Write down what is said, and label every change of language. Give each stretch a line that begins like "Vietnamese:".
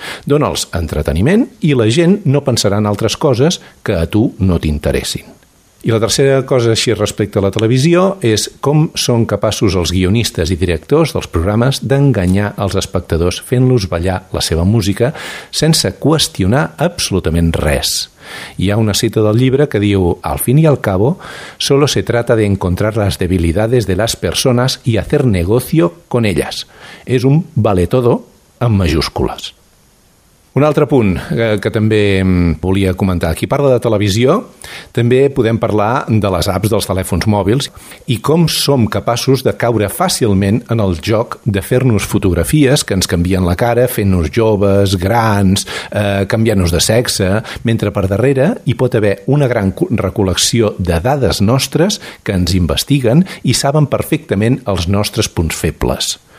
Catalan: Dóna'ls entreteniment i la gent no pensarà en altres coses que a tu no t'interessin. I la tercera cosa així respecte a la televisió és com són capaços els guionistes i directors dels programes d'enganyar els espectadors fent-los ballar la seva música sense qüestionar absolutament res. Hi ha una cita del llibre que diu:
Spanish: "Al fin y al cabo, solo se trata de encontrar las debilidades de las personas y hacer negocio con ellas".
Catalan: És un
Spanish: vale todo
Catalan: amb majúscules. Un altre punt que també volia comentar. Qui parla de televisió, també podem parlar de les apps dels telèfons mòbils i com som capaços de caure fàcilment en el joc de fer-nos fotografies que ens canvien la cara, fent-nos joves, grans, canviant-nos de sexe, mentre per darrere hi pot haver una gran recol·lecció de dades nostres que ens investiguen i saben perfectament els nostres punts febles.